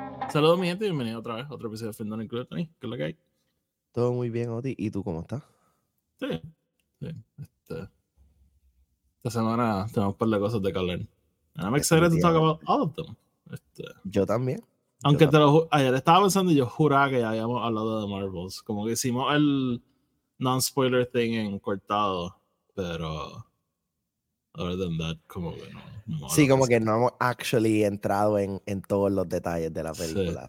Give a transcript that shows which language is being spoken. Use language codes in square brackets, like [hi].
[es] Saludos, mi gente, y bienvenido otra vez a otro episodio de Film Not Included. ¿Qué es lo que hay? Todo muy bien, Oti. ¿Y tú cómo estás? Sí, sí. Esta semana tenemos un par de cosas de calor. [en] And I'm excited to talk about all of them. [es] Yo también. Aunque yo también. Ayer estaba pensando y yo juraba que ya habíamos hablado de Marvels. Como que hicimos el [en] non-spoiler thing [es] en cortado, pero... [en] Other than that, [es] como que no. Sí, como que no hemos [en] actually [es] entrado en todos los detalles de la película.